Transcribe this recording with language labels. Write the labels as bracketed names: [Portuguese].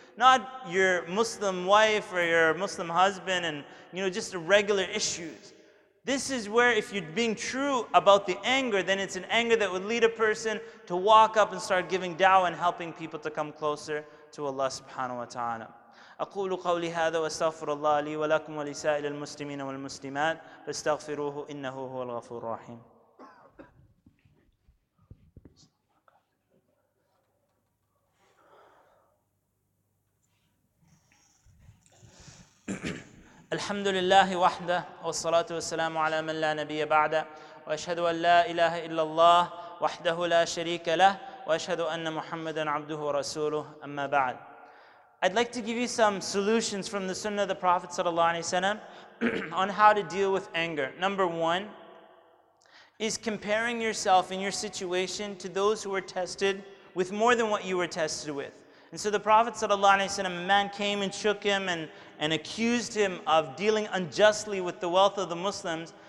[English] Not your Muslim wife or your Muslim husband and, you know, just the regular issues. This is where, if you're being true about the anger, then it's an anger that would lead a person to walk up and start giving da'wah and helping people to come closer to Allah subhanahu wa ta'ala. [Arabic] أقول قولي هذا وأستغفر الله لي ولكم ولسائر المسلمين والمسلمات فاستغفروه إنه هو الغفور الرحيم. الحمد لله وحده والصلاة والسلام على من لا نبي بعده وأشهد أن لا إله إلا الله وحده لا شريك له وأشهد أن محمدا عبده ورسوله أما بعد. [English] I'd like to give you some solutions from the Sunnah of the Prophet sallallahu alaihi wasallam on how to deal with anger. Number one is comparing yourself and your situation to those who were tested with more than what you were tested with. And so the Prophet sallallahu alaihi wasallam, a man came and shook him and accused him of dealing unjustly with the wealth of the Muslims.